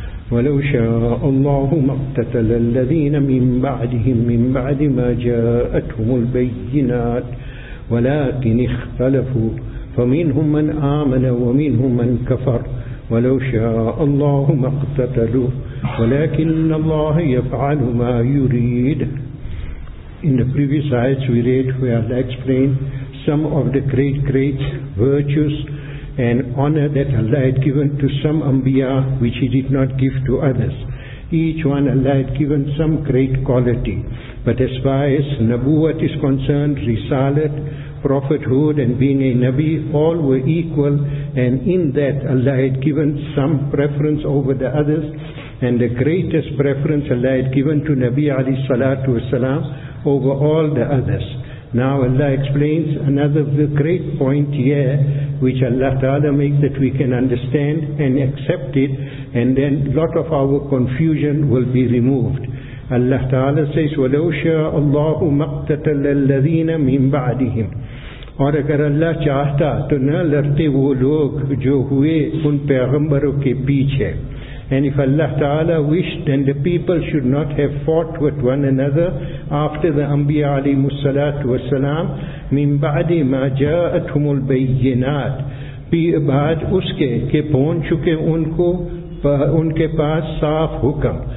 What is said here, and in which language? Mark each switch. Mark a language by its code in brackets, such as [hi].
[ar] ولو شاء الله ما اقتتل الذين من بعدهم من بعد ما جاءتهم البينات ولكن اختلفوا فمنهم من آمن ومنهم من كفر ولو شاء الله ما اقتتلوا ولكن الله يفعل ما يريد. [en] In the previous ayats we read, we have explained some of the great virtues and honor that Allah had given to some Anbiya, which He did not give to others. Each one Allah had given some great quality. But as far as Nabuwat is concerned, Risalat, Prophethood and being a Nabi, all were equal, and in that Allah had given some preference over the others, and the greatest preference Allah had given to Nabi Ali Salatu Wasalam over all the others. Now Allah explains another great point here, which Allah Ta'ala makes that we can understand and accept it, and then a lot of our confusion will be removed. Allah Ta'ala says, [ar] وَلَوْ شَاءَ اللَّهُ مَقْتَتَلَ الَّذِينَ مِنْ بَعْدِهِمْ. [ur] اور اگر اللہ چاہتا تو نہ لڑتے وہ لوگ جو ہوئے ان پیغمبروں کے پیچھے. [en] And if Allah Ta'ala wished, then the people should not have fought with one another after the Anbiya alayhimus salatu wasalam. [ar] Min ba'di ma ja'atumul bayyinat. [ur] Ba'd uske ke pahunch chuke unko unke paas saaf hukam.